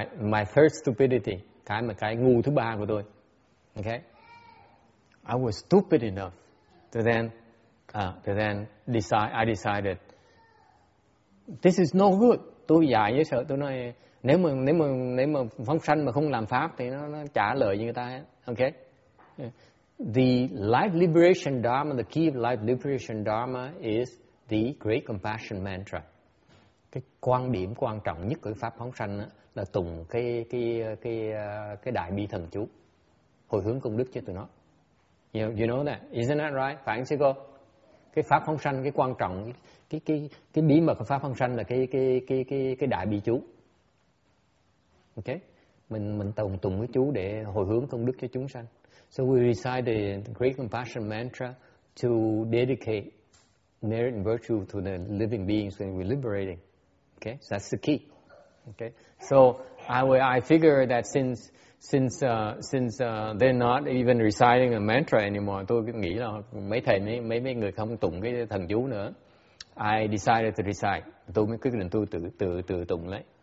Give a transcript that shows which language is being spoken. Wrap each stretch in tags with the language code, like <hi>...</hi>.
<en>My third stupidity,</en> <vi>cái ngu thứ ba của tôi.</vi> <en>Okay? I was stupid enough to then decide this is no good.</en> <vi>Tôi dài với sợ, tôi nói nếu mà phóng sanh mà không làm pháp thì nó trả lời như người ta ấy.</vi> <en>Okay? The life liberation dharma, the key of life liberation dharma is the great compassion mantra.</en> <vi>Cái quan điểm quan trọng nhất của pháp phóng sanh là tụng cái đại bi thần chú, hồi hướng công đức cho tụi nó.</vi> <en>You know that, isn't that right?</en> <vi>Phải không sư cô? Cái pháp phóng sanh, cái quan trọng, cái bí mật của pháp phóng sanh là cái đại bi chú. Okay, mình tụng cái chú để hồi hướng công đức cho chúng sanh.</vi> <en>So we recite the great compassion mantra to dedicate merit and virtue to the living beings when we're liberating. Okay, so that's the key. Okay, so I figure that since they're not even reciting a mantra anymore,</en> <vi>tôi nghĩ là mấy thầy mấy người không tụng cái thần chú nữa.</vi> <en>I decided to recite.</en> <vi>Tôi mới quyết định tự tụng lấy.</vi>